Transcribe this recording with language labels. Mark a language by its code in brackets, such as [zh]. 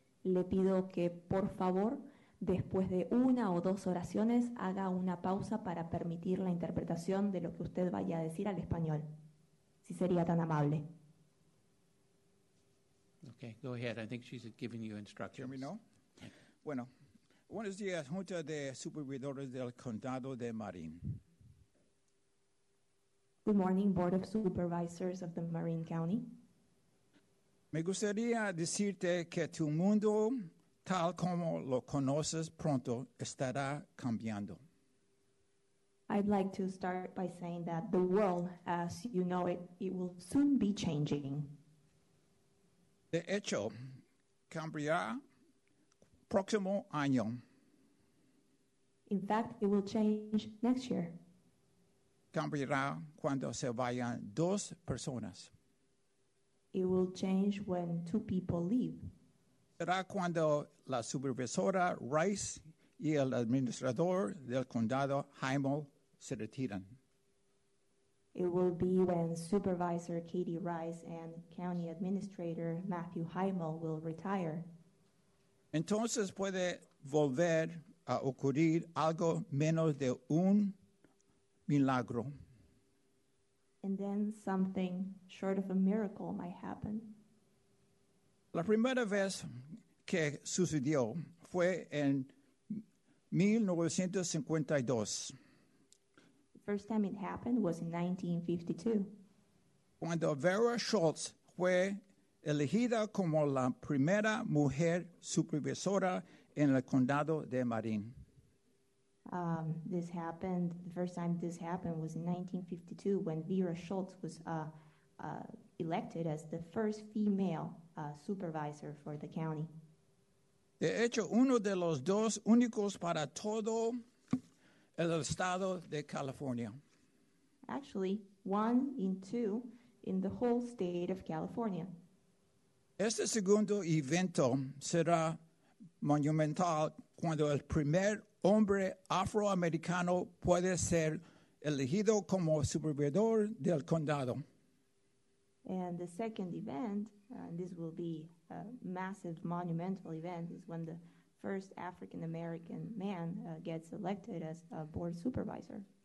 [es] Le pido que, por favor, después de una o dos oraciones, haga una pausa para permitir la interpretación de lo que usted vaya a decir al español. Si sería tan amable. [en] Okay, go ahead. I think she's giving you instructions. Can you hear me now? [es] Bueno, buenos días, Junta de Supervisores del Condado de Marin. [en] Good morning, Board of Supervisors of the Marin County. [es] Me gustaría decirte que tu mundo, tal como lo conoces pronto, estará cambiando. [en] I'd like to start by saying that the world, as you know it, it will soon be changing. [es] De hecho, cambiará próximo año. [en] In fact, it will change next year. [es] Cambiará cuando se vayan dos personas. [en] It will change when two people leave. [es] Será cuando la supervisora Rice y el administrador del condado Jaime se retiran. [en] It will be when Supervisor Katie Rice and County Administrator Matthew Jaime will retire. [es] Entonces puede volver a ocurrir algo menos de un milagro. [en] And then something short of a miracle might happen. [es] La primera vez que sucedió fue en 1952. [en] The first time it happened was in 1952. [es] Cuando Vera Schultz fue elegida como la primera mujer supervisora en el condado de Marin. [en] This happened, the first time this happened was in 1952 when Vera Schultz was elected as the first female supervisor for the county. [es] De hecho, uno de los dos únicos para todo el estado de California. [en] Actually, one in two in the whole state of California. [es] Este segundo evento será monumental cuando el primer hombre afroamericano puede ser elegido como supervisor del condado. [en] And the second event, and this will be a massive monumental event, is when the first African-American man gets elected as a board supervisor.